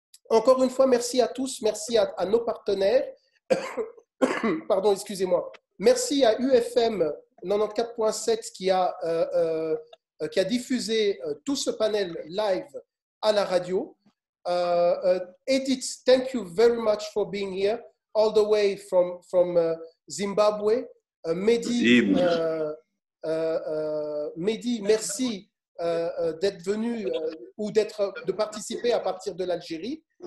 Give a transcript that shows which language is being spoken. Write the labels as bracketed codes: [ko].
[fr] Encore une fois, merci à tous, merci à nos partenaires. Pardon, excusez-moi. Merci à UFM 94.7 qui a diffusé tout ce panel live à la radio. [en] Edith, thank you very much for being here, all the way from Zimbabwe. [fr] Mehdi, merci d'être venu ou de participer à partir de l'Algérie.